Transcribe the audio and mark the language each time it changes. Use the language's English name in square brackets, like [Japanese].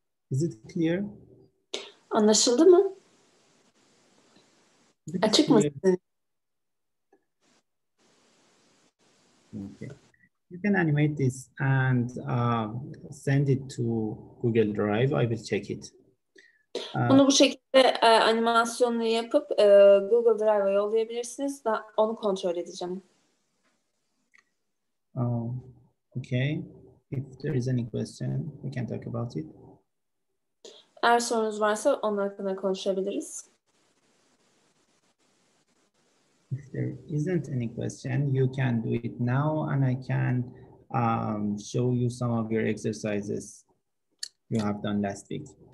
[English] Is it clear? [Turkish] Anlaşıldı mı? Açık mı? [English] Okay. You can animate this and send it to Google Drive. I will check it. [Turkish] Bunu bu şekilde animasyonunu yapıp Google Drive'a yollayabilirsiniz. Onu kontrol edeceğim. [English] Okay. If there is any question, we can talk about it. [Turkish] Eğer sorunuz varsa onun hakkında konuşabiliriz. [English] If there isn't any question, you can do it now and I can show you some of your exercises you have done last week.